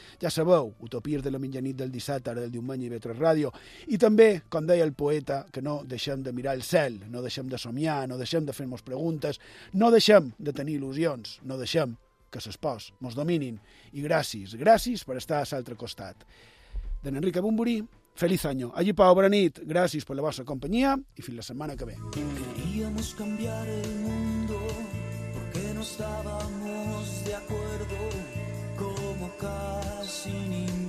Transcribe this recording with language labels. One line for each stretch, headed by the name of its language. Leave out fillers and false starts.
Catalan: Ja sabeu, utopies de la mitjanit del dissabte, ara del diumenge, i Vetres Ràdio. I també, com deia el poeta, que no deixem de mirar el cel, no deixem de somiar, no deixem de fer-nos preguntes, no deixem de tenir il·lusions, no deixem que ses pors mos dominin. I gràcies, gràcies per estar a l'altre costat.
Spanish: D'en Enrique Bumburí, feliz año.
Catalan: Allí, Pau, bona nit. Gràcies per la vostra companyia i fins la setmana que ve.
Spanish: Queríamos cambiar el mundo porque no estábamos de acuerdo como casi ni